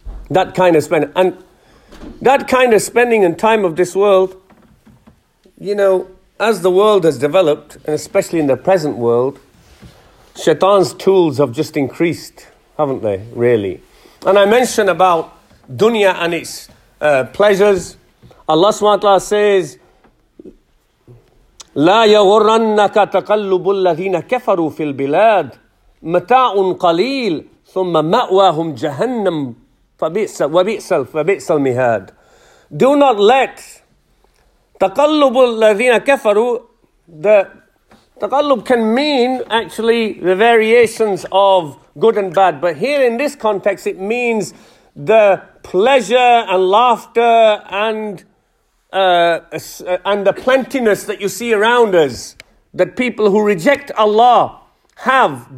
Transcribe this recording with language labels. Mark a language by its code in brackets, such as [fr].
[en] That kind of spending. And that kind of spending and time of this world, you know, as the world has developed, and especially in the present world, shaitan's tools have just increased, haven't they, really? And I mentioned about dunya and its pleasures. [ar] Allah subhanahu wa ta'ala says, لَا يَغُرَّنَّكَ تَقَلُّبُ الَّذِينَ كَفَرُوا فِي الْبِلَادِ مَتَاعٌ قَلِيلٌ ثُمَّ مَأْوَاهُمْ جَهَنَّمْ فَبِئْسَ الْمِهَادِ. [en] Do not let [ar] تَقَلُّبُ الَّذِينَ كَفَرُوا, [en] the تَقَلُّب can mean actually the variations of good and bad, but here in this context it means the pleasure and laughter and the plentiness that you see around us, that people who reject Allah have.